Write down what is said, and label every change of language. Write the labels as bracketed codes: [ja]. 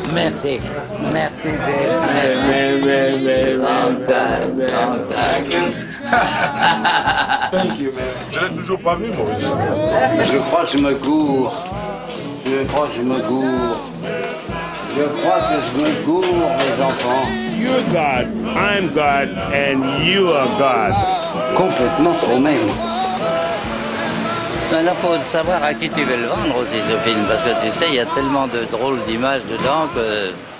[fr] Merci. Merci, Dave. Merci. [en] Long time. Long time. Thank you. Thank you, man. [fr] Je ne l'ai toujours pas vu, Maurice. Je crois que je me gourre. Je crois que je me gourre. Je crois que je me gourre, mes enfants. [en] You're God, I'm God, and you are God. [fr] Complètement au même. Il faut savoir à qui tu veux le vendre aussi ce film, parce que tu sais, il y a tellement de drôles d'images dedans que...